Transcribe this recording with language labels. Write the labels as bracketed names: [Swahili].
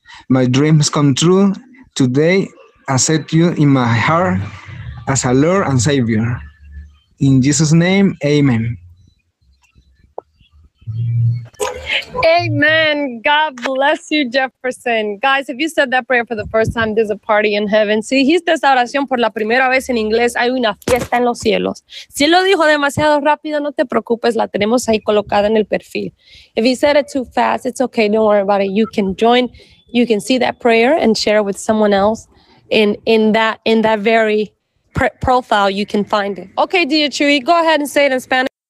[English] My dreams come true. Today, I set you in my heart as a Lord and Savior. In Jesus' name, amen. Amen. God bless you, Jefferson. Guys, if you said that prayer for the first time, there's a party in heaven. [Spanish] Si hiciste esa oración por la primera vez en inglés, hay una fiesta en los cielos. Si lo dijo demasiado rápido, no te preocupes, la tenemos ahí colocada en el perfil. [English] If you said it too fast, it's okay, don't worry about it. You can join, you can see that prayer and share it with someone else in that very profile, you can find it. Okay, DJ Chewy, go ahead and say it in Spanish.